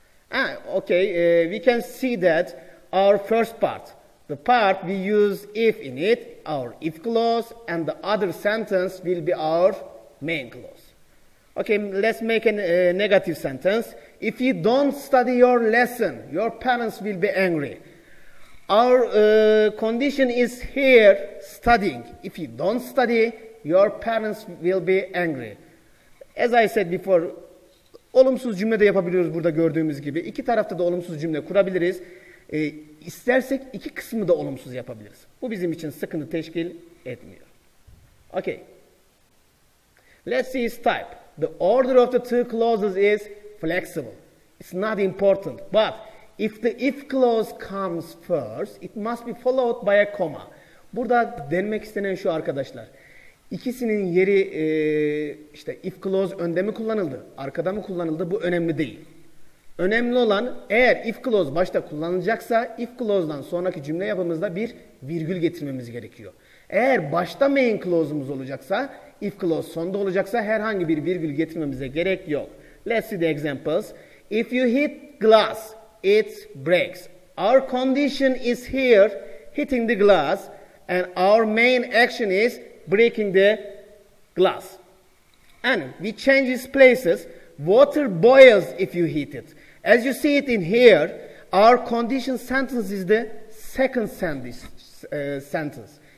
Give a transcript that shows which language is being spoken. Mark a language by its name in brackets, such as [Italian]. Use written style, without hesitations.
[English] We can see that our first part, the part we use if in it, our if clause, and the other sentence will be our main clause. Okay, let's make a negative sentence. If you don't study your lesson, your parents will be angry. Our condition is here, studying. If you don't study, your parents will be angry. As I said before, [Turkish] olumsuz cümle de yapabiliyoruz burada gördüğümüz gibi. İki tarafta da olumsuz cümle kurabiliriz. İstersek iki kısmı da olumsuz yapabiliriz. Bu bizim için sıkıntı teşkil etmiyor. [English] Okay. Let's see its type. The order of the two clauses is flexible. It's not important, but if the if clause comes first, it must be followed by a comma. [Turkish] Burada denmek istenen şu arkadaşlar. İkisinin yeri işte if clause önde mi kullanıldı, arkada mı kullanıldı, bu önemli değil. Önemli olan eğer if clause başta kullanılacaksa, if clause'dan sonraki cümle yapımızda bir virgül getirmemiz gerekiyor. Eğer başta main clause'umuz olacaksa, if clause sonda olacaksa herhangi bir virgül getirmemize gerek yok. [English] Let's see the examples. If you hit glass, it breaks. Our condition is here, hitting the glass, and our main action is breaking the glass. And we change its places. Water boils if you heat it. As you see it in here, our condition sentence is the second sentence.